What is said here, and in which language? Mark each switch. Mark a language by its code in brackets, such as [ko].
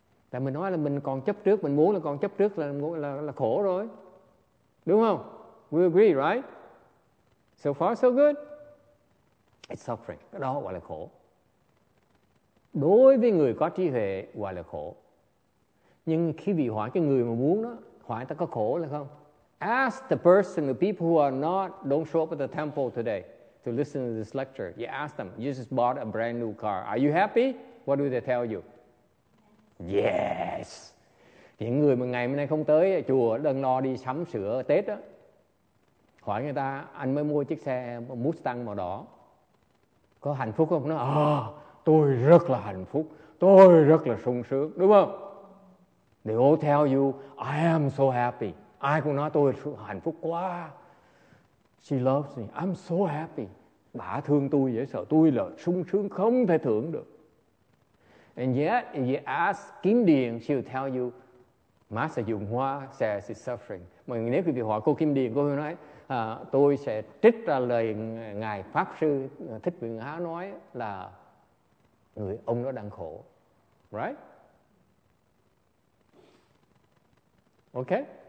[vi] Tại mình nói là mình còn chấp trước, mình muốn là còn chấp trước là khổ rồi, đúng không? [en] We agree, right? So far, so good. It's suffering. [vi] Cái đó gọi là khổ. Đối với người có trí huệ gọi là khổ. Nhưng khi bị hỏi cái người mà muốn đó, hỏi ta có khổ là không? [en] Ask the person, the people who are not, don't show up at the temple today to listen to this lecture. You ask them, you just bought a brand new car. Are you happy? What do they tell you? Yes. [vi] Những người mà ngày hôm nay không tới chùa, đừng lo đi sắm sửa Tết đó. Hỏi người ta, anh mới mua chiếc xe Mustang màu đỏ. Có hạnh phúc không? Nó, tôi rất là hạnh phúc. Tôi rất là sung sướng. Đúng không? [en] They all tell you, I am so happy. [vi] Ai cũng nói tôi hạnh phúc quá. [en] She loves me. I'm so happy. [vi] Bà thương tôi dễ sợ. Tôi là sung sướng không thể tưởng được. [en] And yet, if you ask Kim Điền, she will tell you, Master Dùng Hoa says it's suffering. [vi] Mà nếu quý vị hỏi cô Kim Điền, cô ấy nói, tôi sẽ trích ra lời Ngài Pháp Sư Thích Nguyện Há nói là người ông đó đang khổ. [en] Right? Okay.